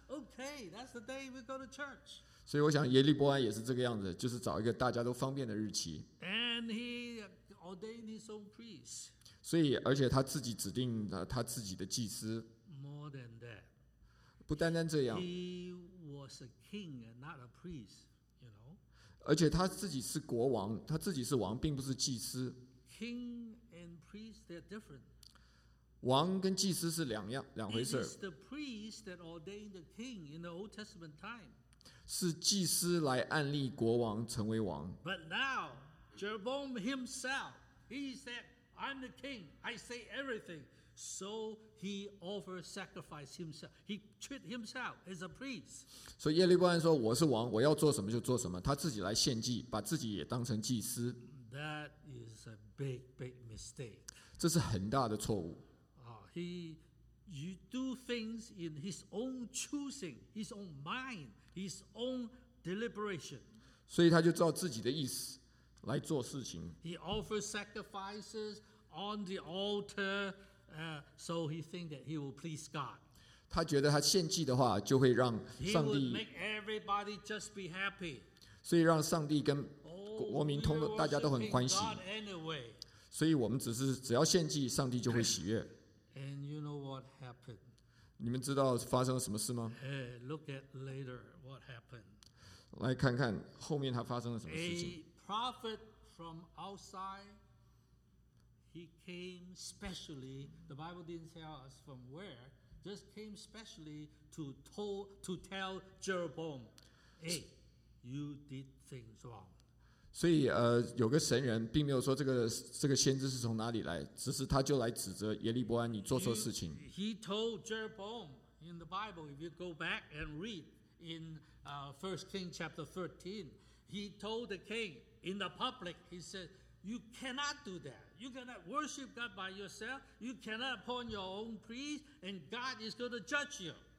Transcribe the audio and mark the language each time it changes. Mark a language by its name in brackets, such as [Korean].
[English] Okay, that's the day we go to church. [Chinese] 所以我想耶利哥安也是这个样子，就是找一个大家都方便的日期。 [English] And he ordained his own priest. [Chinese] 所以而且他自己指定了他自己的祭司。 [English] More than that. [Chinese] 不单单这样。 [English] He was a king and not a priest, you know. [Chinese] 而且他自己是国王，他自己是王，并不是祭司。 [English] King and priest, they're different. [Chinese] 王跟祭司是两回事。 [English] It is the priest that ordained the king in the Old Testament time. [Chinese] 是祭司来按立国王成为王。 [English] But now, Jeroboam himself, he said, I'm the king, I say everything. So he offered sacrifice himself. He treated himself as a priest. [Chinese] So 耶利哥安说我是王，我要做什么就做什么。他自己来献祭，把自己也当成祭司。 [English] That is a big, big mistake. [Chinese] 这是很大的错误。 [English] He do things in his own choosing, his own mind, his own deliberation. [Chinese] 所以他就照自己的意思来做事情。 [English] He offered sacrifices on the altar. So he think that he will please God. [Chinese] 他觉得他献祭的话就会让上帝。 [English] He would make everybody just be happy. [Chinese] 所以让上帝跟国民通的大家都很欢喜。 [English] God anyway. [Chinese] 所以我们只要献祭，上帝就会喜悦。 [English] And you know what happened? [Chinese] 你们知道发生了什么事吗？ [English] Look at later what happened. [Chinese] 来看看后面他发生了什么事情。 [English] A prophet from outside. He came specially, the Bible didn't tell us from where, just came specially to tell Jeroboam, hey, you did things wrong. [Chinese] 所以有个神人并没有说这个先知是从哪里来，只是他就来指责耶利伯安你做错事情。 [English] He told Jeroboam in the Bible, if you go back and read in 1 Kings chapter 13, he told the king in the public, he said,You cannot do that. You cannot worship God by yourself. You cannot appoint your own priest, and God is going to judge you.